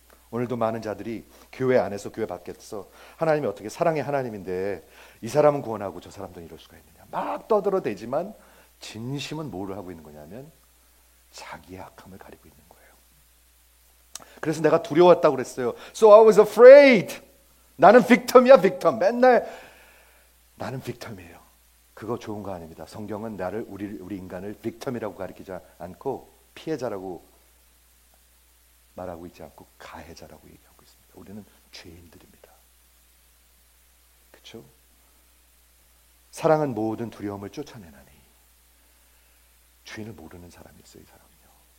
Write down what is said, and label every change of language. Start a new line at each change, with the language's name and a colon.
Korean: 오늘도 많은 자들이 교회 안에서 교회 밖에서 하나님이 어떻게 사랑의 하나님인데 이 사람은 구원하고 저 사람도 이럴 수가 있느냐 막 떠들어대지만 진심은 뭐를 하고 있는 거냐면 자기의 악함을 가리고 있는 거예요. 그래서 내가 두려웠다고 그랬어요.
English: So I was afraid.
Korean: 나는 victim이야, victim. 맨날 나는 victim이에요. 그거 좋은 거 아닙니다. 성경은 나를 우리 인간을 빅텀이라고 가리키지 않고 피해자라고 말하고 있지 않고 가해자라고 얘기하고 있습니다. 우리는 죄인들입니다. 그렇죠? 사랑은 모든 두려움을 쫓아내나니. 죄인을 모르는 사람이었어요, 이 사람은요.